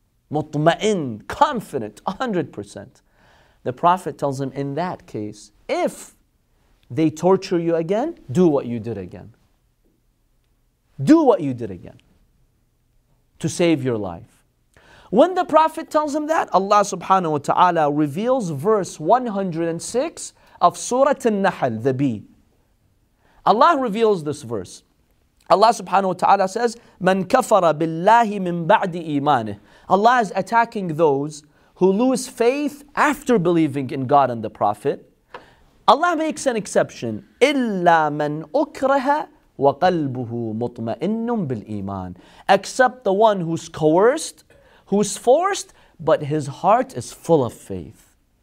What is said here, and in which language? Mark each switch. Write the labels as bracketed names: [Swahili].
[English] Mutma'in, confident, 100%. The Prophet tells him, in that case, if they torture you again, do what you did again. Do what you did again to save your life. When the Prophet tells him that, Allah subhanahu wa ta'ala reveals verse 106 of Surah An-Nahl, the bee. Allah reveals this verse. [Arabic] Allah subhanahu wa ta'ala says, مَنْ كَفَرَ بِاللَّهِ مِنْ بَعْدِ إِيمَانِهِ. [English] Allah is attacking those who lose faith after believing in God and the Prophet. Allah makes an exception. [Arabic] إِلَّا مَنْ أُكْرَهَ وَقَلْبُهُ مُطْمَئِنٌ بِالْإِيمَانِ. [English] Except the one who's coerced, who's forced, but his heart is full of faith.